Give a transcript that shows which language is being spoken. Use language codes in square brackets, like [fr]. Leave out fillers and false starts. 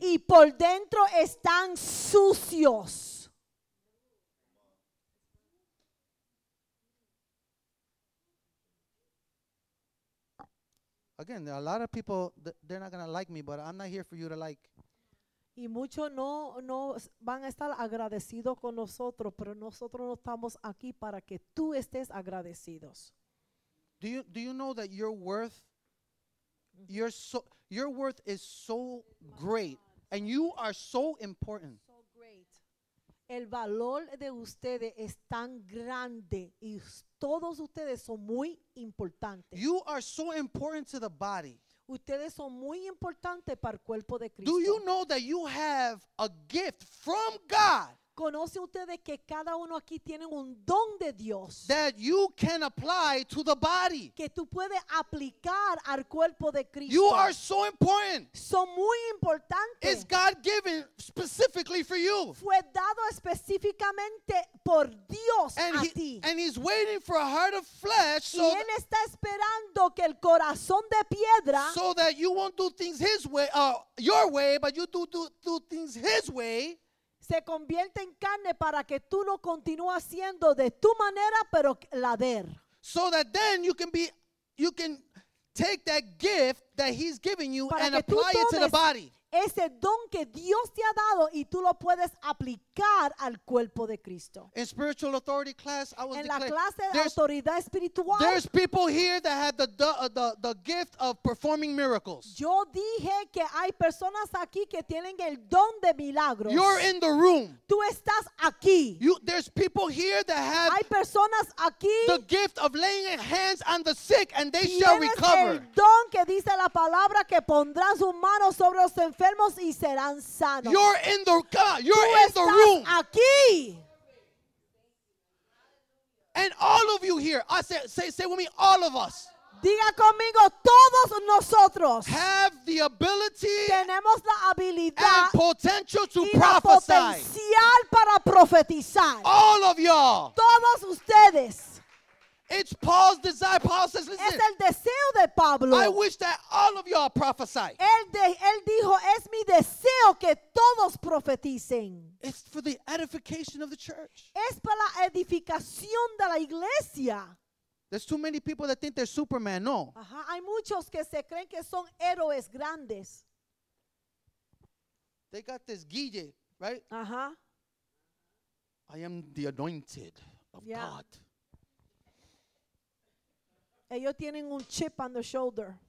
[es] Y por dentro están sucios. [en] Again, there are a lot of people, they're not going to like me, but I'm not here for you to like. [es] Y muchos no van a estar agradecidos con nosotros, pero nosotros no estamos aquí para que tú estés agradecidos. [en] Do you know that your worth is so great and you are so important? So great. [es] El valor de ustedes es tan grande y todos ustedes son muy importantes. [en] You are so important to the body. [es] Ustedes son muy importantes para el cuerpo de Cristo. [en] Do you know that you have a gift from God? [es] Conoce ustedes que cada uno aquí tiene un don de Dios. [en] That you can apply to the body. [es] Que tú puedes aplicar al cuerpo de Cristo. [en] You are so important. [es] Son muy importantes. [en] It's God given specifically for you. [es] Fue dado específicamente por Dios [en] and [es] a [en] he, [es] ti. [en] And he's waiting for a heart of flesh. So [es] y él está esperando que el corazón de piedra. [en] So that you won't do things his way, your way, but you do things his way. [es] Se convierte en carne para que tú no continúes haciendo de tu manera, pero la de él. [en] So that then you can take that gift that he's given you [es] para [en] and apply it to the body. [es] Ese don que Dios te ha dado y tú lo puedes aplicar al cuerpo de Cristo. [en] In spiritual authority class, I was [es] en la clase de autoridad espiritual. [en] There's people here that have the gift of performing miracles. [es] Yo dije que hay personas aquí que tienen el don de milagros. [en] You're in the room. [es] Tú estás aquí. [en] There's people here that have [es] hay personas aquí [en] the gift of laying hands on the sick and they shall recover. [es] Tienes el don que dice la palabra que pondrán sus manos sobre los enfermos y serán sanos. [en] You're in the God, you're in the room. [es] Aquí. [en] And all of you here, I say with me, all of us. [es] Diga conmigo, todos nosotros. [en] Have the ability. [es] Tenemos la habilidad. [en] And potential to [es] y [en] prophesy. [es] Potencial para profetizar. [en] All of y'all. [es] Todos ustedes. [en] It's Paul's desire. Paul says, listen. [es] Es el deseo de Pablo. [en] I wish that all of y'all prophesy. [es] Él dijo, es mi deseo que todos profeticen. [en] It's for the edification of the church. [es] Es para la edificación de la iglesia. [en] There's too many people that think they're Superman. [es] No. Uh-huh. Hay muchos que se creen que son héroes grandes. [en] They got this guille, right? Uh-huh. I am the anointed of yeah. God. [es] Ellos tienen un [en] chip on their shoulder.